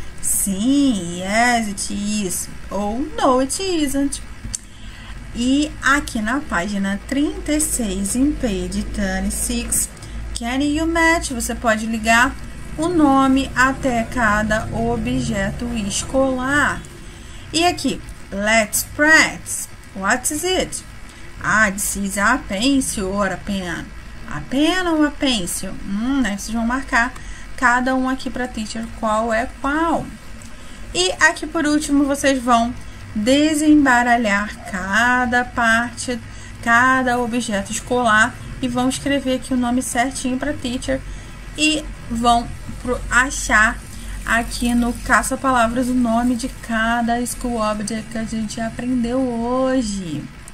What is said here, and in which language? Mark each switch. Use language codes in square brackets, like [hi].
[en] Sim, yes, it is, ou no, it isn't. [pt] E aqui na página 36, em page 36, [en] can you match? [pt] Você pode ligar o nome até cada objeto escolar. [en] E aqui, let's practice. What is it? Ah, this is a pencil or a pen. A pen ou a pencil? [pt] Aí vocês vão marcar cada um aqui para teacher qual é qual. E aqui por último, vocês vão desembaralhar cada parte, cada objeto escolar e vão escrever aqui o nome certinho para teacher e vão achar aqui no caça-palavras o nome de cada school object que a gente aprendeu hoje.